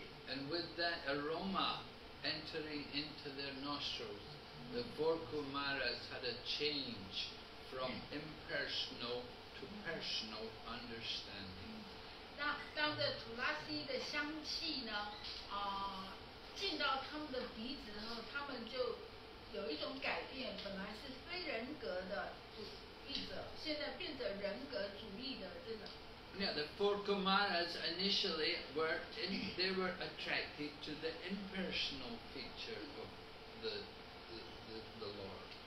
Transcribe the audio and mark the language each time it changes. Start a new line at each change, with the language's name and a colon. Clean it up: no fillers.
English: And with that aroma entering into their nostrils, the four Kumaras had a change from impersonal to personal understanding.
Chinese: 那当这图拉西的香气呢，进到他们的鼻子后，他们就有一种改变，本来是非人格的主义者，现在变成人格主义的这种。
English: Yeah, the four Kumaras initially were attracted to the impersonal feature of the Lord.